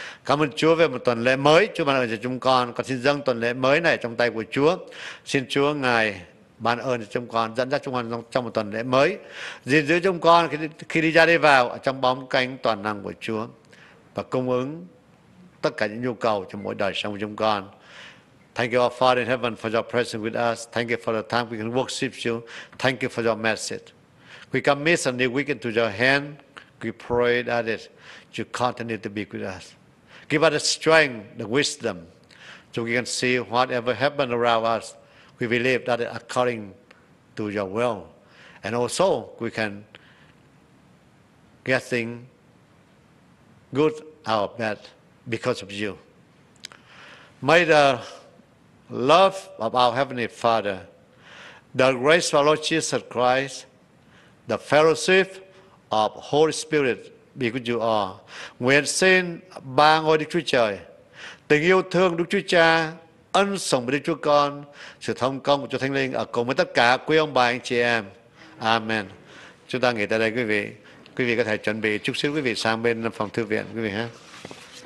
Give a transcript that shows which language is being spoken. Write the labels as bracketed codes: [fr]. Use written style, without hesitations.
[vi] Cảm ơn Chúa về một tuần lễ mới Chúa ban ơn cho chúng con xin dâng tuần lễ mới này trong tay của Chúa. Xin Chúa Ngài ban ơn cho chúng con, dẫn dắt chúng con trong một tuần lễ mới, gìn giữ chúng con khi đi ra đi vào ở trong bóng cánh toàn năng của Chúa, và cung ứng tất cả những nhu cầu cho mỗi đời sống của chúng con. [en] Thank you, our Father in heaven, for your presence with us. Thank you for the time we can worship you. Thank you for your message. We commit a new week into your hand. We pray that it, you continue to be with us. Give us the strength, the wisdom, so we can see whatever happened around us. We believe that it according to your will. And also, we can get things good out of that because of you. May the love of our Heavenly Father, the grace of our Lord Jesus Christ, the fellowship of Holy Spirit be with you all. [vi] Nguyện xin ba ngôi Đức Chúa Trời, tình yêu thương Đức Chúa Cha, ân sủng của Đức Chúa Con, sự thông công của Chúa Thánh Linh ở cùng với tất cả quý ông bà anh chị em. Amen. Chúng ta nghỉ tại đây quý vị. Quý vị có thể chuẩn bị chút xíu quý vị sang bên phòng thư viện quý vị ha.